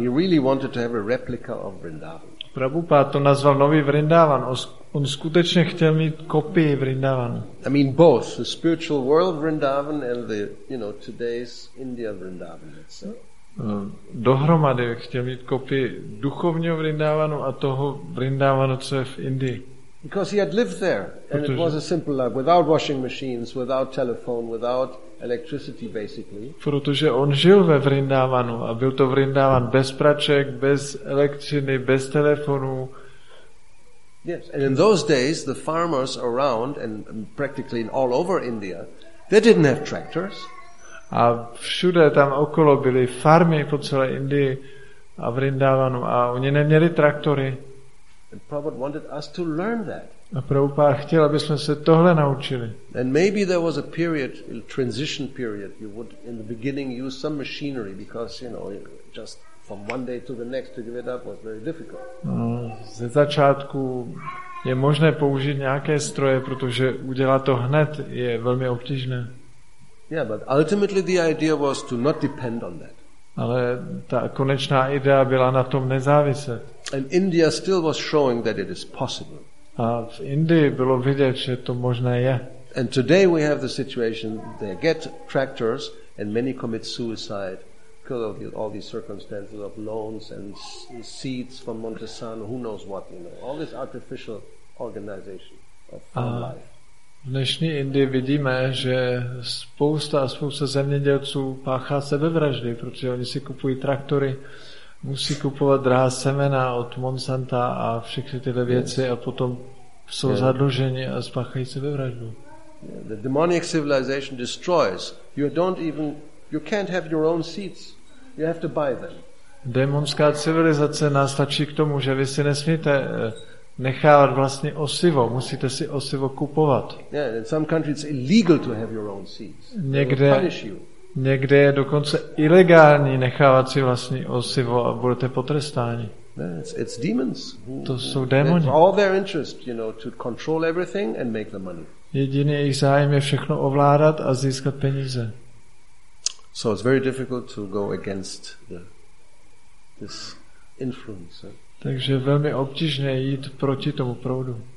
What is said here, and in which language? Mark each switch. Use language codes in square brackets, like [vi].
[en] He really wanted to have a replica of Vrindavan. [cs] Prabhupáda to nazval Nový Vrindávan. On skutečně chtěl mít kopii Vrindávanu. [en] I mean both, the spiritual world Vrindavan and the, you know, today's India Vrindavan. [cs] Dohromady chtěl mít kopii duchovního Vrindávanu a toho Vrindávanu, co je v Indii. [en] Because he had lived there and it was a simple life without washing machines, without telephone, without electricity basically. [cs] Protože on žil ve Vrindávanu a byl to Vrindávan bez praček, bez elektřiny, bez telefonu. [en] Yes, and in those days the farmers around and practically all over India, they didn't have tractors. [cs] A všude tam okolo byly farmy po celé Indii a Vrindávanu a oni neměli traktory. [en] And Prabhupada wanted us to learn that. [cs] A Prabhupada chtěl, aby jsme se tohle naučili. [en] And maybe there was a period, a transition period, you would in the beginning use some machinery because, you know, just from one day to the next to give it up was very difficult. [cs] Ze začátku je možné použít nějaké stroje, protože udělat to hned je velmi obtížné. [en] Yeah, but ultimately the idea was to not depend on that. [cs] Ale ta konečná idea byla na tom nezáviset. [en] And India still was showing that it is possible. [cs] A v Indii bylo vidět, že to možné je. [en] And today we have the situation they get tractors and many commit suicide because of all these circumstances of loans and seeds from Montesano, who knows what, you know, all this artificial organization of life. [cs] V dnešní Indii vidíme, že spousta a spousta zemědělců páchá sebevraždy, protože oni si kupují traktory, musí kupovat drahá semena od Monsanta a všechny tyhle věci a potom jsou zadluženi a spáchají sebevraždu. [en] The demonic civilization destroys. You don't even, you can't have your own seeds. You have to buy them. [cs] Démonská civilizace nás tlačí k tomu, že vy si nesmíte nechávat vlastní osivo, musíte si osivo kupovat. [en] Yeah, in some countries it's illegal to have your own seeds. [cs] Někde je dokonce ilegální nechávat si vlastní osivo a budete potrestáni. [en] Yeah, it's demons. [cs] To jsou démoni. [en] It's all their interest, you know, to control everything and make the money. [cs] Jediný jejich zájem je všechno ovládat a získat peníze. [en] So it's very difficult to go against this influence. [cs] Takže je velmi obtížné jít proti tomu proudu.